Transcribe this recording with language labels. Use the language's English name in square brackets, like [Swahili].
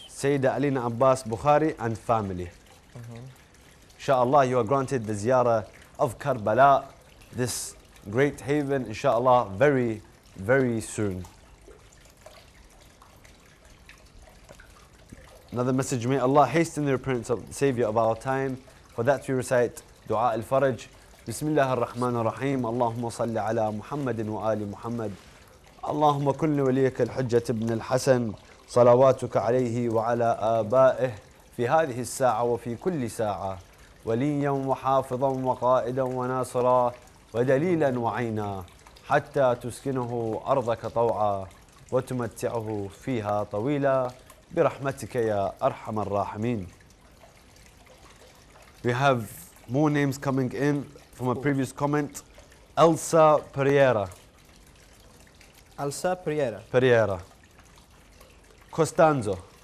[English] Sayyida Alina Abbas Bukhari and family. Inshallah, you are granted the ziyarah of Karbala, this great haven, inshallah, very, very soon. Another message, may Allah hasten the appearance of the Savior of our time. For that we recite [Arabic] دعاء الفرج بسم الله الرحمن الرحيم اللهم صل على محمد وآل محمد اللهم كن لوليك الحجة ابن الحسن صلواتك عليه وعلى آبائه في هذه الساعة وفي كل ساعة وليا وحافظا وقائدا وناصرا ودليلا وعينا حتى تسكنه أرضك طوعا وتمتعه فيها طويلا برحمتك يا أرحم الراحمين. [English] We have more names coming in from a previous comment. Elsa Pereira. Elsa Pereira. Pereira. Costanzo.